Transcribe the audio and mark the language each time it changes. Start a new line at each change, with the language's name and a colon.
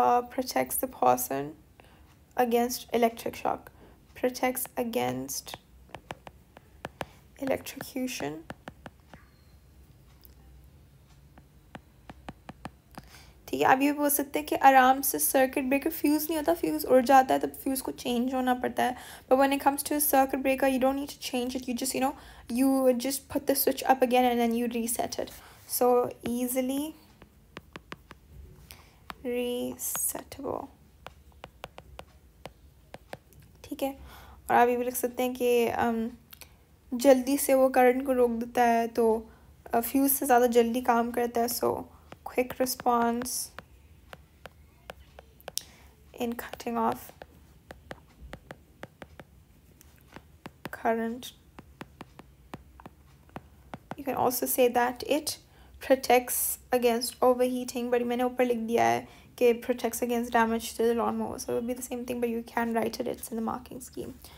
English: protects the person against electric shock, protects against electrocution,
Hindi: ठीक है. अभी बोल सकते हैं कि आराम से सर्किट ब्रेकर फ्यूज नहीं होता, फ्यूज उड़ जाता है तब फ्यूज को चेंज होना पड़ता है.
English: But when it comes to circuit breaker you don't need to change it, you just you know you just put the switch up again and then you reset it. So easily resettable,
Hindi: ठीक है. और अभी भी लिख सकते हैं कि जल्दी से वो करंट को रोक देता है, तो फ्यूज से ज़्यादा जल्दी काम करता है.
English: So quick response in cutting off current. You can also say that it protects against overheating, but
Hindi: maine upar likh diya hai ki
English: protects against damage to the lawnmower, so it would be the same thing, but you can write it, it's in the marking scheme.